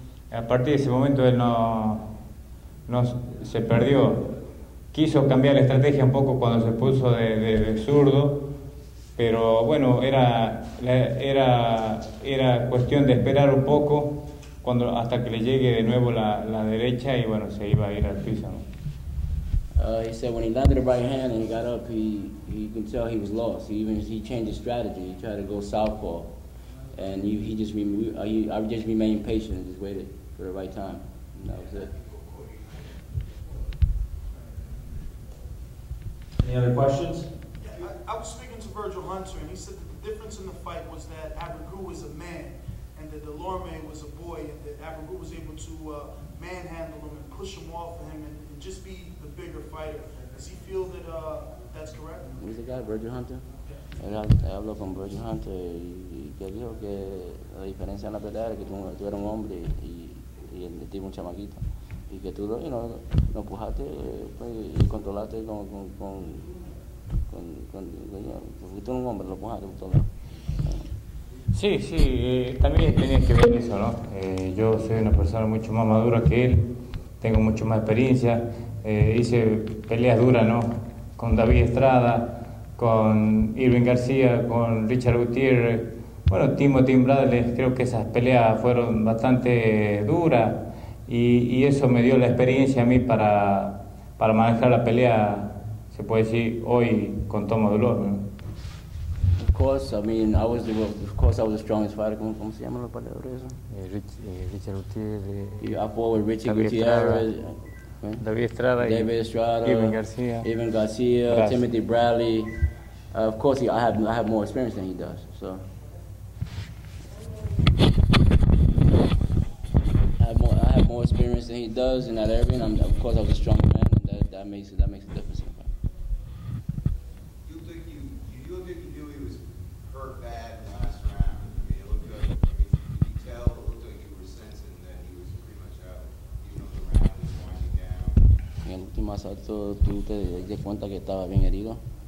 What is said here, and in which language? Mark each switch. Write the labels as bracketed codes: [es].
[es] A partir de ese momento él no se perdió. quiso cambiar la estrategia un poco cuando se puso de zurdo, pero bueno, era cuestión de esperar un poco cuando hasta que le llegue de nuevo la derecha y bueno, se iba a ir al piso. [en] He said when he landed the right hand and he got up, he can tell he was lost. He changed his strategy. He tried to go southpaw, and I just remained patient and just waited for the right time, and that was it. Any other questions? Yeah, I was speaking to Virgil Hunter, and he said that the difference in the fight was that Abregu was a man, and that Delorme was a boy, and that Abregu was able to manhandle him and push him off of him and just be the bigger fighter. Does he feel that that's correct? Who's the guy, Virgil Hunter? Yeah. [es] I hablo con Virgil Hunter, y que dijo que la diferencia en la pelea era que tú eres un hombre y el tipo un chamaquito. Y que tú lo empujaste y controlaste con tú eres un hombre, lo empujaste por todos lados. Sí, también tenía que ver eso, ¿no? Yo soy una persona mucho más madura que él, tengo mucho más experiencia, hice peleas duras, ¿no? Con David Estrada, con Irving García, con Richard Gutiérrez, bueno, Tim Bradley, creo que esas peleas fueron bastante duras. Y eso me dio la experiencia a mí para manejar la pelea, se puede decir, hoy con Tomo Dolor. [en] Of course, I mean, I was the strongest fighter. [es] ¿Cómo se llama la palabra esa? Richard Gutiérrez. [en] I fought with Richard Gutiérrez. David Estrada. David Estrada. Irving García. Timothy Bradley. Of course, I have more experience than he does, so. More experience than he does in that area, and of course I was a strong man, and that makes a difference. You think you knew he was hurt bad last round? I mean, it looked like, could you tell? It looked like you were sensing that he was pretty much out. You know, the round was winding down. [es] En el último asalto, ¿tú te diste cuenta que estaba bien herido?